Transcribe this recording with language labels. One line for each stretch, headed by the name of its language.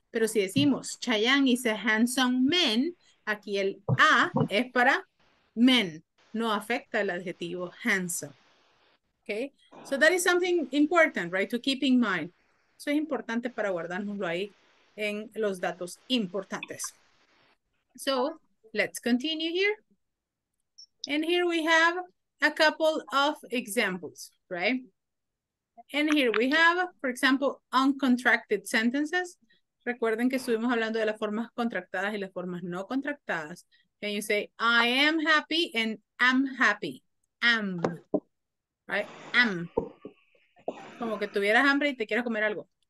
Spanish: Pero si decimos
English: Chayang is a handsome man,
Spanish: aquí el a es para men, no afecta el adjetivo handsome.
English: Okay, so that is something important, right, to keep in mind.
Spanish: Eso es importante para guardárnoslo ahí en los datos importantes.
English: So, let's continue here. And here we have a couple of examples, right? And here we have, for example, uncontracted sentences.
Spanish: Recuerden que estuvimos hablando de las formas contractadas y las formas no contractadas.
English: Can you say, I am happy and am happy. Am. Right? Am.
Spanish: Como que tuvieras hambre y te quieras comer algo.